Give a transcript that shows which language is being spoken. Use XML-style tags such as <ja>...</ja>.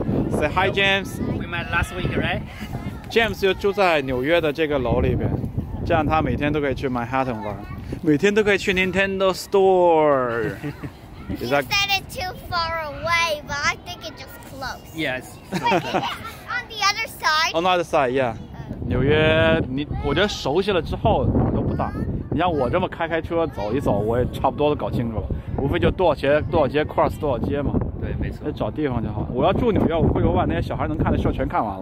<zh>看了。</zh> <en>Hi James, we met last week, right?</en> <zh>James 就住在纽约的这个楼里边，这样他每天都可以去 Manhattan 玩，每天都可以去 Nintendo Store.</zh> <en>You said it too far away, but I think it's just close. Yes. On the other side. On the other side, yeah.</en> <zh>纽约，我觉得熟悉了之后都不大。你像我这么开开车走一走，我也差不多都搞清楚了，无非就多少街 cross 多少街嘛。对，没错，找地方就好。我要住纽约，我会有把那些小孩能看的事全看完了。</zh>